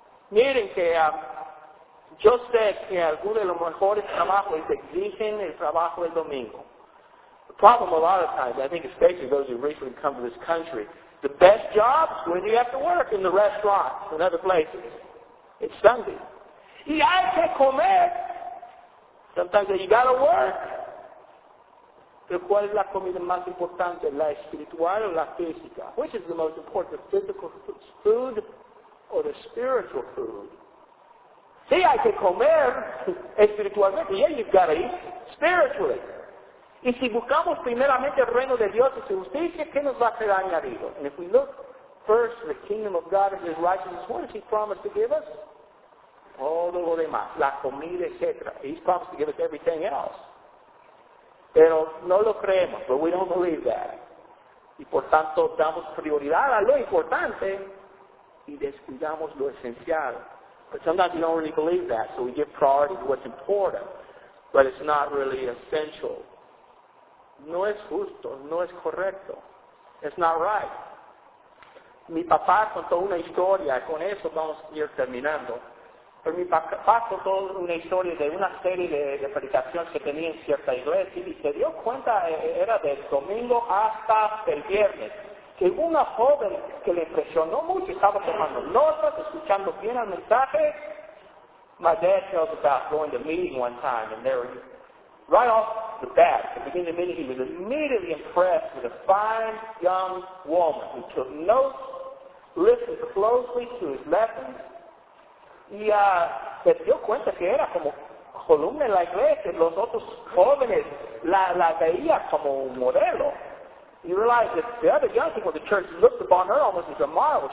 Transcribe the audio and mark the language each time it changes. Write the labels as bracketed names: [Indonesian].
[Spanish] Miren que yo sé que algunos de los mejores trabajos exigen el trabajo del domingo. [English] The problem a lot of times, I think especially those who recently come to this country, the best jobs when you have to work in the restaurants and other places. It's Sunday. [Spanish] Y hay que comer. [English] Sometimes you gotta work. [Spanish] ¿Cuál es la comida más importante, la espiritual o la física? [English] Which is the most important, the physical food or the spiritual food? [Spanish] Sí, hay que comer espiritualmente. [English] Yeah, you've got to eat spiritually. [Spanish] Y si buscamos primeramente el reino de Dios y su justicia, ¿qué nos va a ser añadido? [English] And if we look first the kingdom of God and His righteousness, what does He promise to give us? [Spanish] Todo lo demás, la comida, etc. [English] He's promised to give us everything else. [Spanish] Pero no lo creemos, [English] but we don't believe that. [Spanish] Y por tanto, damos prioridad a lo importante y descuidamos lo esencial. [English] But sometimes we don't really believe that, so we give priority to what's important, but it's not really essential. [Spanish] No es justo, no es correcto. [English] It's not right. [Spanish] Mi papá contó una historia, y con eso vamos a ir terminando. Pero mi papá contó una historia de una serie de predicaciones que tenía en cierta iglesia y se dio cuenta, era del domingo hasta el viernes, que una joven que le impresionó mucho, estaba tomando notas, escuchando bien el mensaje. [English] My dad tells about going to a meeting one time and there, right off the bat, at the beginning of the meeting, he was immediately impressed with a fine young woman who took notes, listened closely to his lessons. [Spanish] Y se dio cuenta que era como columna en la iglesia. Los otros jóvenes la veía como un modelo. [English] You realize that the other young people in the church looked upon her almost as a model.